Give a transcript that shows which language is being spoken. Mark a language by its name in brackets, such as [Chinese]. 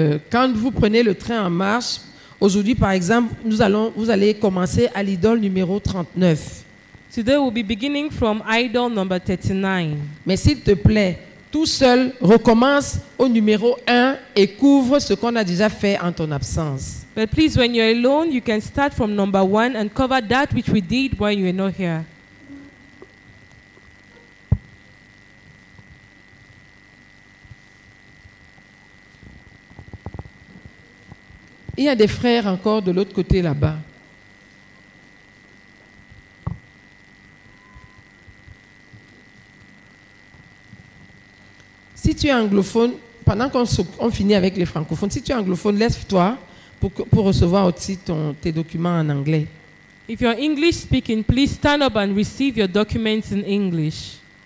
[French] Quand vous prenez le train en marche, aujourd'hui, par exemple, vous allez commencer à l'idole numéro 39. [English] Today we'll be beginning from idol number 39. [French] Mais s'il te plaît, tout seul, recommence au numéro 1 et couvre ce qu'on a déjà fait en ton absence. [English] But please, when you're alone, you can start from number 1 and cover that which we did while you were not here. [French] Il y a des frères encore de l'autre côté là-bas. Si tu es anglophone, pendant qu'on finit avec les francophones, si tu es anglophone, lève-toi pour recevoir aussi tes documents en anglais. [English] If you're English speaking, please stand up and receive your documents in English.